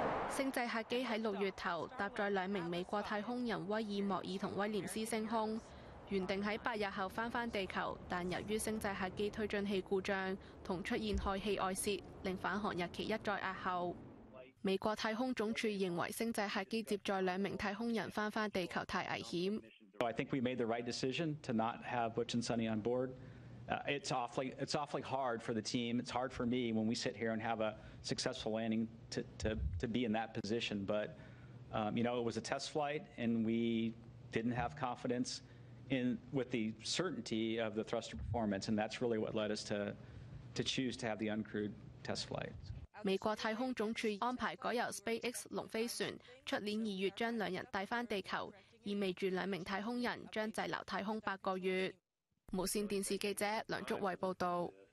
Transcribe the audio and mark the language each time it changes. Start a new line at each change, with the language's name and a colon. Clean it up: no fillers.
Cantonese: 星際客機在6月頭搭載兩名美國太空人威爾莫爾和威廉斯升空，原定在8日後回到地球，但由於星際客機推進器故障和出現氦氣外泄，令返航日期一再押後。美國太空總署認為星際客機接載兩名太空人回到地球太危險。
English: So I think we made the right decision to not have Butch and Sonny on board. It's awfully hard for the team. It's hard for me when we sit here and have a successful landing to be in that position. But, you know, it was a test flight and we didn't have confidence in with the certainty of the thruster performance. And that's really what led us to choose to have the uncrewed test flight.
Cantonese: 美國太空總署安排改由 SpaceX 龍飛船出年二月將兩人帶回地球，意味著兩名太空人將滯留太空8个月。無線電視記者梁竹慧報導。